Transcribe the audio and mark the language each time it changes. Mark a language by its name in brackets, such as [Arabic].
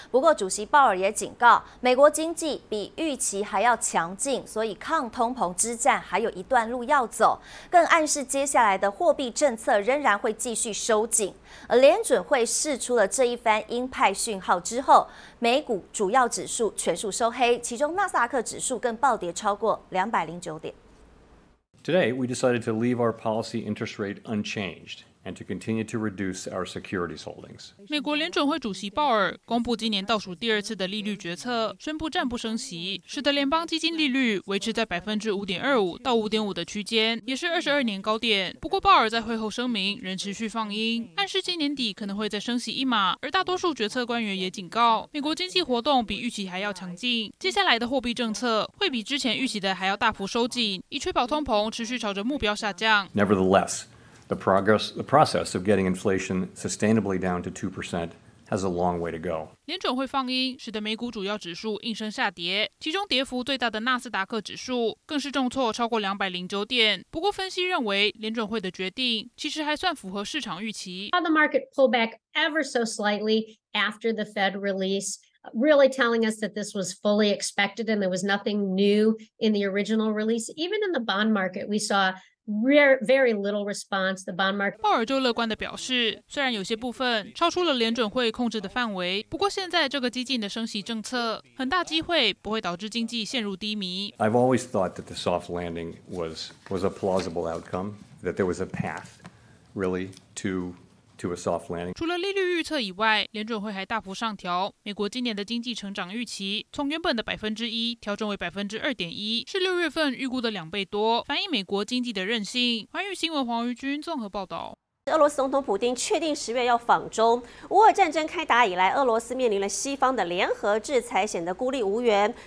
[Chinese] 不过主席鲍尔也警告，美国经济比预期还要强劲，所以抗通膨之战还有一段路要走，更暗示接下来的货币政策仍然会继续收紧。而联准会释出了这一番鹰派讯号之后，美股主要指数全数收黑，其中纳斯达克指数更暴跌超过209点。 [English] Today, we decided to leave our policy interest rate unchanged and to continue to reduce our securities holdings. [Chinese] 美国联准会主席鲍尔公布今年倒数第二次的利率决策，宣布暂不升息，使得联邦基金利率维持在5.25%-5.5%的区间，也是22年高点。不过，鲍尔在会后声明仍持续放鹰，暗示今年底可能会再升息一码。而大多数决策官员也警告，美国经济活动比预期还要强劲，接下来的货币政策会比之前预期的还要大幅收紧，以确保通膨持续朝着目标下降。 [English] Nevertheless. The process of getting inflation sustainably down to 2% has a long way to go. [Chinese] 联准会放鹰，使得美股主要指数应声下跌，其中跌幅最大的纳斯达克指数更是重挫超过209点。不过，分析认为联准会的决定其实还算符合市场预期。 [English] The market pulled back ever so slightly after the Fed release. Really telling us that this was fully expected and there was nothing new in the original release. Even in the bond market, we saw very little response. The bond market. [Chinese] 鲍尔就乐观地表示，虽然有些部分超出了联准会控制的范围，不过现在这个激进的升息政策很大机会不会导致经济陷入低迷。 [English] I've always thought that the soft landing was a plausible outcome, that there was a path, really, to a soft landing. [Chinese] 除了利率预测以外，联准会还大幅上调美国今年的经济成长预期，从原本的1%调整为2.1%，是六月份预估的两倍多，反映美国经济的韧性。环宇新闻黄瑜君综合报道。俄罗斯总统普丁确定十月要访中。乌俄战争开打以来，俄罗斯面临了西方的联合制裁，显得孤立无援。